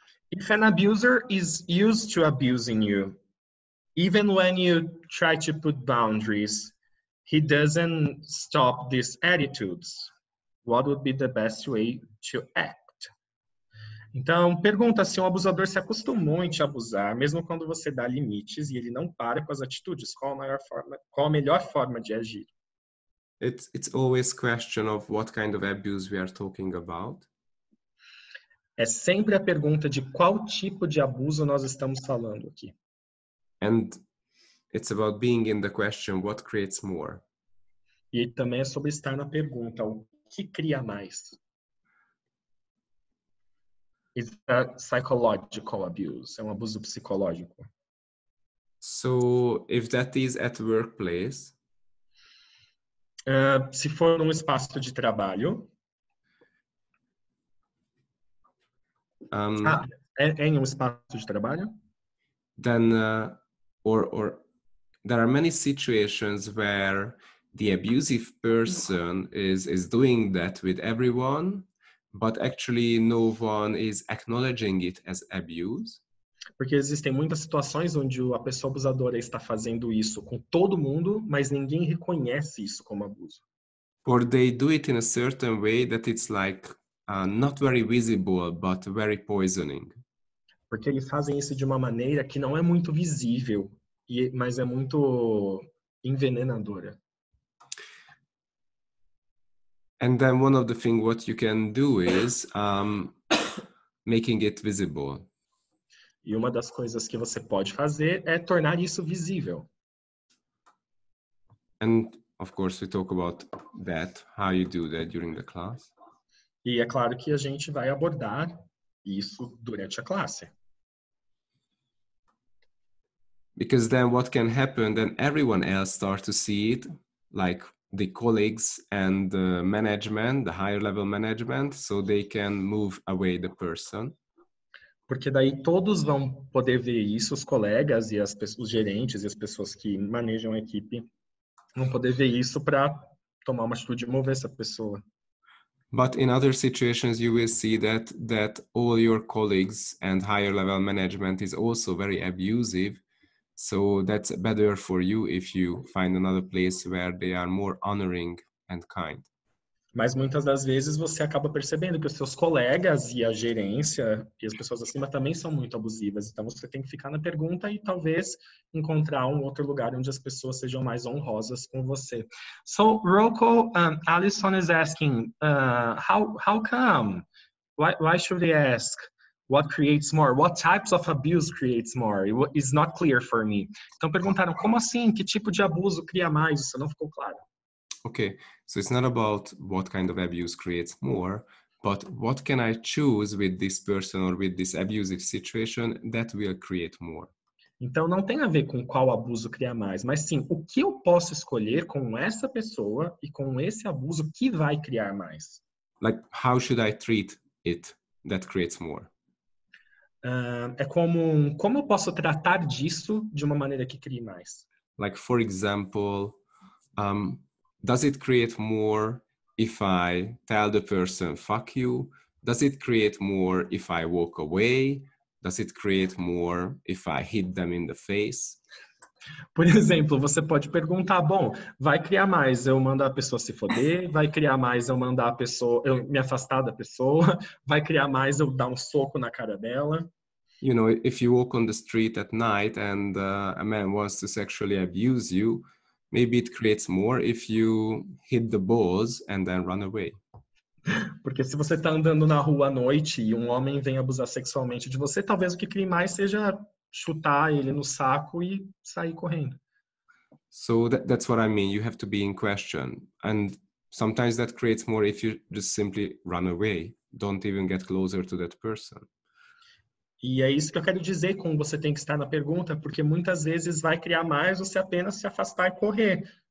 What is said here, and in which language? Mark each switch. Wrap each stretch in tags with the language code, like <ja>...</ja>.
<en>If an abuser is used to abusing you, even when you try to put boundaries, he doesn't stop these attitudes, what would be the best way to act?</en> <pt>Então, pergunta se um abusador se acostumou em te abusar, mesmo quando você dá limites e ele não para com as atitudes, qual a melhor forma de agir?</pt> <en>It's always a question of what kind of abuse we are talking about.</en> <pt>É sempre a pergunta de qual tipo de abuso nós estamos falando aqui.</pt> <en>And it's about being in the question, what creates more?</en> <pt>E também é sobre estar na pergunta, o que cria mais?</pt> <en>It's a psychological abuse,</en> <pt>é um abuso psicológico.</pt> <en>So, if that is at workplace...</en> <pt>Se for num espaço de trabalho... em um espaço de trabalho?</pt> <en>Then, or there are many situations where the abusive person is doing that with everyone, but actually no one is acknowledging it as abuse.</en> <pt>Porque existem muitas situações onde a pessoa abusadora está fazendo isso com todo mundo, mas ninguém reconhece isso como abuso.</pt> <en>Or they do it in a certain way that it's like not very visible, but very poisoning.</en> <pt>Porque eles fazem isso de uma maneira que não é muito visível, mas é muito envenenadora.</pt> <en>And then one of the things what you can do is making it visible.</en> <pt>E uma das coisas que você pode fazer é tornar isso visível.</pt> <en>And of course we talk about that, how you do that during the class.</en> <pt>E é claro que a gente vai abordar isso durante a classe.</pt> <en>Because then what can happen, then everyone else starts to see it, like the colleagues and the management, the higher level management, so they can move away the person.</en> <pt>Porque daí todos vão poder ver isso, os colegas e os gerentes e as pessoas que manejam a equipe vão poder ver isso para tomar uma atitude e mover essa pessoa.</pt> <en>But in other situations you will see that all your colleagues and higher level management is also very abusive. So that's better for you if you find another place where they are more honoring and kind.</en> <pt>Mas muitas das vezes você acaba percebendo que os seus colegas e a gerência e as pessoas acima também são muito abusivas. Então você tem que ficar na pergunta e talvez encontrar um outro lugar onde as pessoas sejam mais honrosas com você.</pt> <en>So, Rocco, Alison is asking, how come? Why should we ask? What creates more? What types of abuse creates more? It's not clear for me.</en> <pt>Então perguntaram, como assim? Que tipo de abuso cria mais? Isso não ficou claro.</pt> <en>Okay, so it's not about what kind of abuse creates more, but what can I choose with this person or with this abusive situation that will create more?</en> <pt>Então, não tem a ver com qual abuso cria mais, mas sim, o que eu posso escolher com essa pessoa e com esse abuso que vai criar mais?</pt> <en>Like, how should I treat it that creates more?</en> <pt>Como eu posso tratar disso de uma maneira que crie mais?</pt> <en>Like, for example... Does it create more if I tell the person, fuck you? Does it create more if I walk away? Does it create more if I hit them in the face?</en> <pt>Por exemplo, você pode perguntar, bom, vai criar mais eu mandar a pessoa se foder? Vai criar mais eu mandar a pessoa, eu me afastar da pessoa? Vai criar mais eu dar um soco na cara dela?</pt> <en>you know, if you walk on the street at night and a man wants to sexually abuse you, maybe it creates more if you hit the balls and then run away.</en> <pt>Porque se você tá andando na rua à noite e um homem vem abusar sexualmente de você, talvez o que crie mais seja chutar ele no saco e sair correndo.</pt> <en>So that's what I mean. You have to be in question. And sometimes that creates more if you just simply run away. Don't even get closer to that person.</en> <pt>E é isso que eu quero dizer com você tem que estar na pergunta, porque muitas vezes vai criar mais você apenas se afastar e correr.</pt>